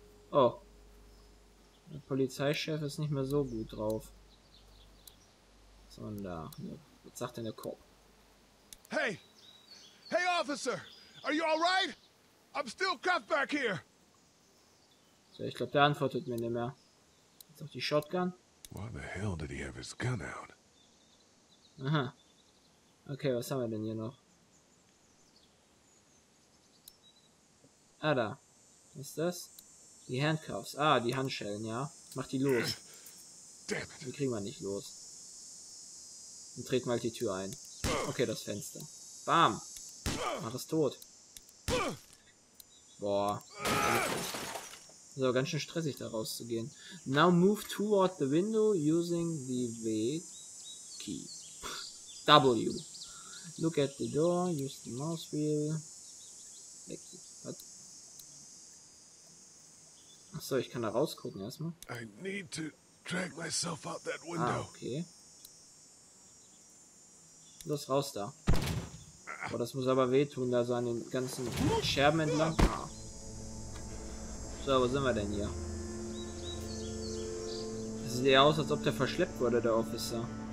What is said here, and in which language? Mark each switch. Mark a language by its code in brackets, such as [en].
[de] Oh, der Polizeichef ist nicht mehr so gut drauf. Sondern da, was sagt denn der Cop? [en] Hey, hey, Officer, are you all right? I'm still cuffed back here. [de] So, ich glaube, der antwortet mir nicht mehr. Jetzt auch die Shotgun. [en] Why the hell did he have his gun out? [de] Aha. Okay, was haben wir denn hier noch? Ah, da. Was ist das? Die Handcuffs. Ah, die Handschellen, ja. Mach die los. [en] Damn it. [de] Die kriegen wir nicht los. Dann treten wir halt die Tür ein. Okay, das Fenster. Bam. Mach es tot. Boah. So, ganz schön stressig, da rauszugehen. [en] Now move toward the window using the W key. W. Look at the door, use the mouse wheel. [de] Achso, ich kann da rausgucken erstmal. [en] I need to drag myself out that window. Ah, okay. [de] Los, raus da. Boah, das muss aber wehtun, da so an den ganzen Scherben entlang. So, wo sind wir denn hier? Sieht ja aus, als ob der verschleppt wurde, der Officer.